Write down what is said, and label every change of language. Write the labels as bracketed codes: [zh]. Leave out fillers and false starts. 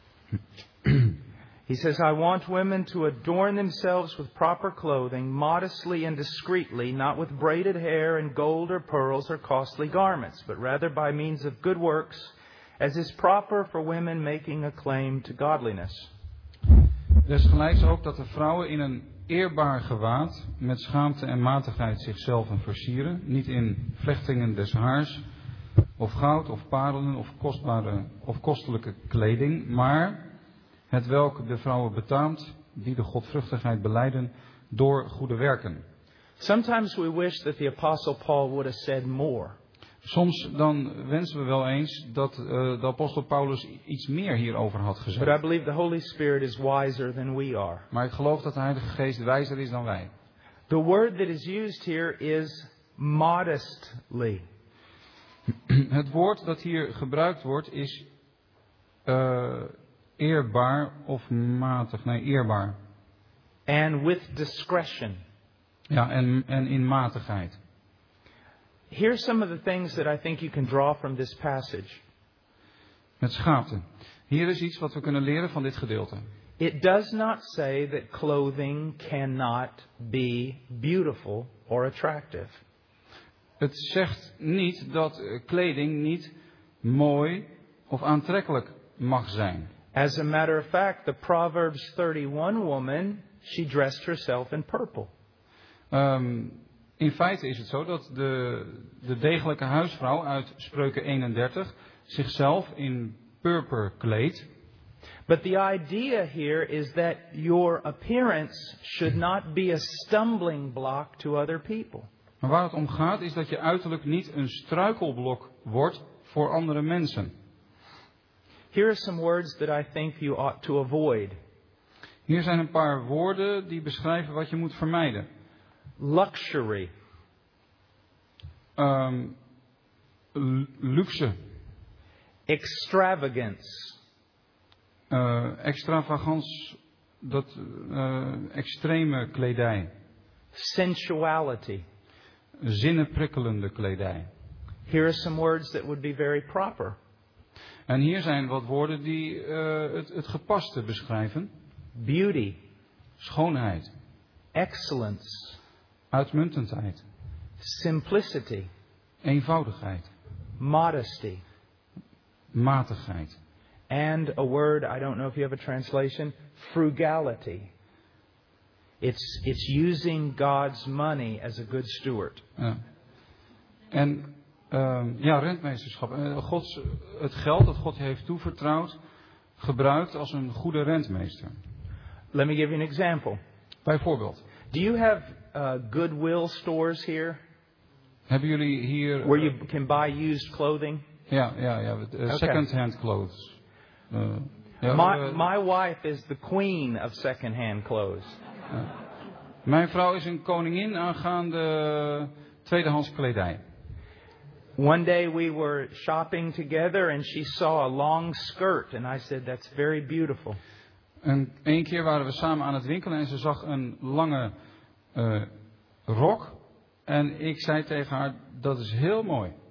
[en] Verse 9. He says, "I want women to adorn themselves with proper clothing, modestly and discreetly, not with braided hair and gold or pearls or costly garments, but rather by means of good works, as is proper for women making a claim to godliness." [nl] Desgelijks ook dat de vrouwen in een eerbaar gewaad met schaamte en matigheid zichzelf en versieren, niet in vlechtingen des haars of goud of parelen of kostbare of kostelijke kleding, maar het welk de vrouwen betaamt die de godvruchtigheid belijden door goede werken. [en] Sometimes we wish that the apostle Paul would have said more. [nl] Soms dan wensen we wel eens dat de apostel Paulus iets meer hierover had gezegd. [en] But I believe the Holy Spirit is wiser than we are. [nl] Maar ik geloof dat de Heilige Geest wijzer is dan wij. [en] The word that is used here is modestly. [nl] Het woord dat hier gebruikt wordt is eerbaar of matig. Nee, eerbaar. [en] And with discretion. [nl] Ja, en in matigheid. [en] Here are some of the things that I think you can draw from this passage. [nl] Met schaamte. Hier is iets wat we kunnen leren van dit gedeelte. [en] It does not say that clothing cannot be beautiful or attractive. [nl] Het zegt niet dat kleding niet mooi of aantrekkelijk mag zijn. [en] As a matter of fact, the Proverbs 31 woman, she dressed herself in purple. [nl] In feite is het zo dat de degelijke huisvrouw uit Spreuken 31 zichzelf in purper kleedt. [en] But the idea here is that your appearance should not be a stumbling block to other people. [nl] Maar waar het om gaat is dat je uiterlijk niet een struikelblok wordt voor andere mensen. [en] Here are some words that I think you ought to avoid. [nl] Hier zijn een paar woorden die beschrijven wat je moet vermijden. [en] Luxury. [nl] Luxe. [en] Extravagance. [nl] Extravagance, dat extreme kledij. [en] Sensuality. [nl] Zinnenprikkelende kledij. [en] Here are some words that would be very proper. [nl] En hier zijn wat woorden die het gepaste beschrijven. [en] Beauty. [nl] Schoonheid. [en] Excellence. [nl] Uitmuntendheid. [en] Simplicity. [nl] Eenvoudigheid. [en] Modesty. [nl] Matigheid. [en] And a word, I don't know if you have a translation, frugality. It's using God's money as a good steward. [nl] Ja. En rentmeesterschap. Het geld dat God heeft toevertrouwd, gebruikt als een goede rentmeester. [en] Let me give you an example. [nl] Bijvoorbeeld. [en] Do you have Goodwill stores here? [nl] Hebben jullie hier [en] where you can buy used clothing? Ja. Second-hand clothes. My wife is the queen of second-hand clothes. [nl] Mijn vrouw is een koningin aangaande tweedehands kledij. [en] One day we were shopping together and she saw a long skirt and I said, that's very beautiful. [nl] Een keer waren we samen aan het winkelen en ze zag een lange rok. En ik zei tegen haar, dat is heel mooi.